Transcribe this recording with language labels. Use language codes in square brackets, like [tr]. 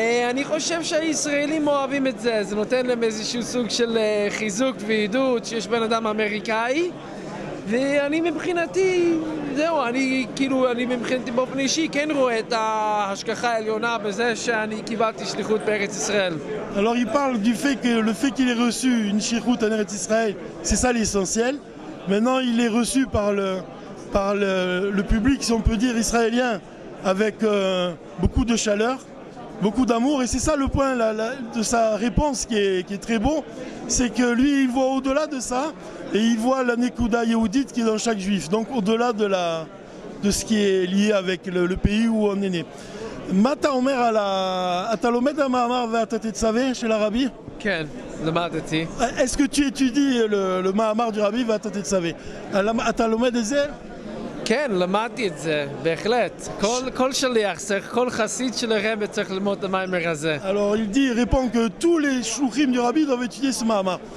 [he] אני חושב שהישראלים אוהבים את זה, זה נותן להם איזשהו סוג של חיזוק ועידוד שיש בן אדם אמריקאי, ואני מבחינתי, זהו, אני כאילו, אני מבחינתי באופן אישי כן רואה את ההשגחה העליונה בזה שאני קיבלתי שליחות בארץ ישראל. [fr] Alors il parle du fait que le fait qu'il ait reçu une shirut en Eretz Israël, c'est ça l'essentiel. Maintenant il est reçu par le public, si on peut dire, israélien, avec beaucoup de chaleur, beaucoup d'amour. Et c'est ça le point de sa réponse qui est très beau, c'est que lui il voit au-delà de ça, et il voit la Nekouda Yehoudite qui est dans chaque juif, donc au-delà de ce qui est lié avec le pays où on est né. [he] מה אתה אומר על ה... אתה לומד המאמר ואתה תצווה של הרבי? כן, למדתי. [fr] Est-ce que tu étudies le מאמר du רבי ואתה תצווה? [he] אתה לומד את זה? כן, למדתי את זה, בהחלט. כל שליח, כל חסיד של הרבי צריך ללמוד את המאמר הזה. [fr] Alors, il dit, répond que tous les שלוחים du רבי doivent étudier ce מאמר.